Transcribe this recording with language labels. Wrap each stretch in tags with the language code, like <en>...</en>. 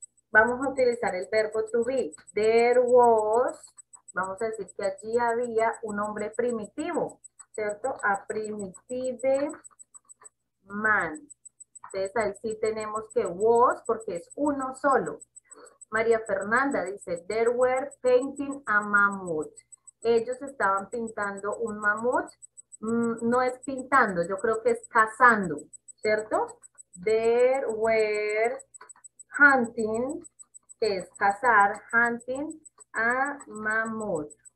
<es>Vamos a utilizar el verbo to be.</es> <en>There was,</en> <es>vamos a decir que allí había un hombre primitivo, ¿cierto?</es> <en>A primitive man.</en> <es>Entonces ahí sí tenemos que was porque es uno solo.</es> <en>María Fernanda dice, there were painting a mammoth.</en> <es>Ellos estaban pintando un mamut. No es pintando, yo creo que es cazando, ¿cierto?</es> <en>There were hunting,</en> <es>que es cazar,</es> <en>hunting a mamut.</en>